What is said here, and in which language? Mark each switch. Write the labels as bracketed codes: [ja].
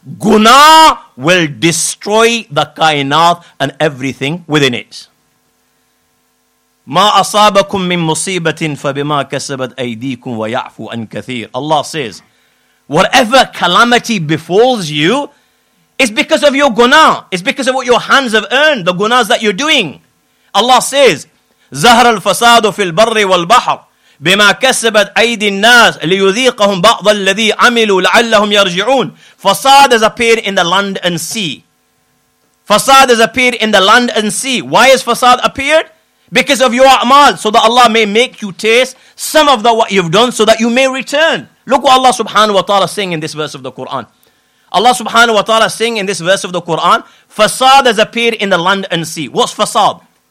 [en] Guna will destroy the kainat and everything within it. [ar] مَا أَصَابَكُم مِّن مُّصِيبَةٍ فَبِمَا كَسَبَتْ أَيْدِيكُمْ وَيَعْفُو عَن كَثِيرٍ. [en] Allah says, whatever calamity befalls you, it's because of your guna. It's because of what your hands have earned, the gunas that you're doing. Allah says, [ar] زَهْرَ الْفَسَادُ فِي الْبَرِّ وَالْبَحْرِ بِمَا كَسَبَتْ أَيْدِي النَّاسِ لِيُذِيقَهُمْ بَعْضَ الَّذِي عَمِلُوا لَعَلَّهُمْ يَرْجِعُونَ. [en] Fasad has appeared in the land and sea. Fasad has appeared in the land and sea. Why has fasad appeared? Because of your a'mal, so that Allah may make you taste some of the what you've done, so that you may return. Look what Allah subhanahu wa ta'ala is saying in this verse of the Quran. Allah subhanahu wa ta'ala is saying in this verse of the Quran, fasad has appeared in the land and sea. What's fasad?